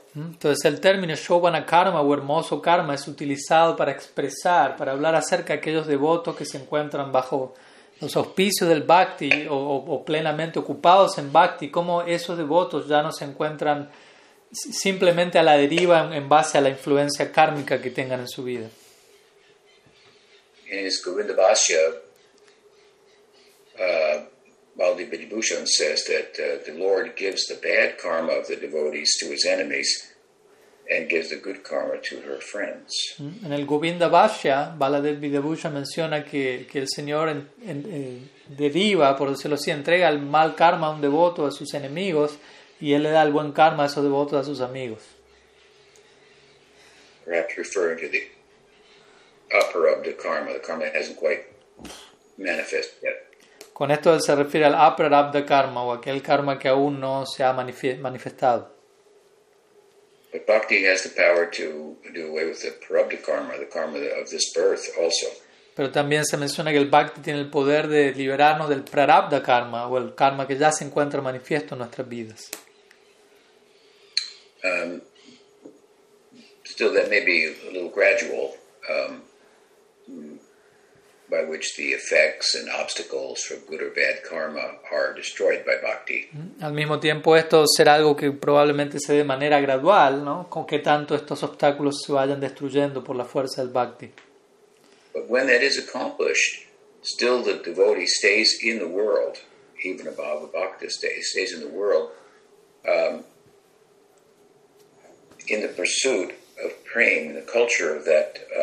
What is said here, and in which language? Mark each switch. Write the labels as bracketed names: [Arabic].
[Spanish] Entonces el término shobana karma o hermoso karma es utilizado para expresar, para hablar acerca de aquellos devotos que se encuentran bajo los auspicios del bhakti o plenamente ocupados en bhakti, cómo esos devotos ya no se encuentran simplemente a la deriva en base a la influencia kármica que tengan en su vida. [English] En su Govinda Bhashya, Maldi Bhajibhushan says that the Lord gives the bad karma of the devotees to his enemies and gives the good karma to her friends. [Spanish] En el Govinda Bhashya, Baladev Vidyabhusha menciona que el Señor deriva, por decirlo así, entrega el mal karma a un devoto a sus enemigos y él le da el buen karma a esos devotos a sus amigos. [English] Perhaps referring to the upper of the karma, the karma that hasn't quite manifested yet. [Spanish] Con esto él se refiere al upper abdha karma o aquel karma que aún no se ha manifestado. [English] But bhakti has the power to do away with the parabdha karma, the karma of this birth also. [Spanish] Pero también se menciona que el bhakti tiene el poder de liberarnos del prarabdha karma o el karma que ya se encuentra manifiesto en nuestras vidas. [English] Still, that may be a little gradual. By which the effects and obstacles from good or bad karma are destroyed by bhakti. [Spanish] Al mismo tiempo, esto será algo que probablemente se dé de manera gradual, ¿no? Con que tanto estos obstáculos se vayan destruyendo por la fuerza del bhakti. [English] But when that is accomplished, still the devotee stays in the world, even a bhava bhakti stays in the world, in the pursuit of praying, the culture of that.